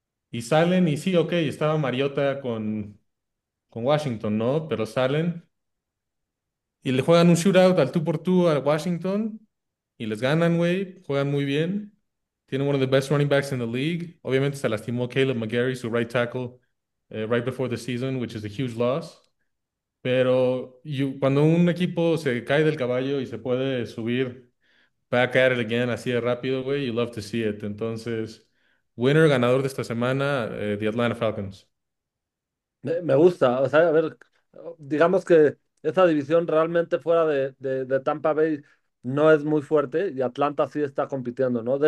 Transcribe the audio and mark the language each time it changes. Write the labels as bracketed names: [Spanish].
[Spanish] Y salen, y sí, ok, estaba Mariota con Washington, ¿no? Pero salen. Y le juegan un shootout al tú por tú a Washington. Y les ganan, güey. Juegan muy bien. Tienen uno de los mejores running backs en la liga. Obviamente se lastimó Caleb McGarry, su right tackle. [English] Right before the season, which is a huge loss. [Spanish] Pero cuando un equipo se cae del caballo y se puede subir, [English] back at it again [Spanish] así de rápido, güey, [English] you love to see it. [Spanish] Entonces, winner, ganador de esta semana, the Atlanta Falcons. Me gusta, o sea, a ver, digamos que esa división realmente fuera de Tampa Bay no es muy fuerte y Atlanta sí está compitiendo, ¿no?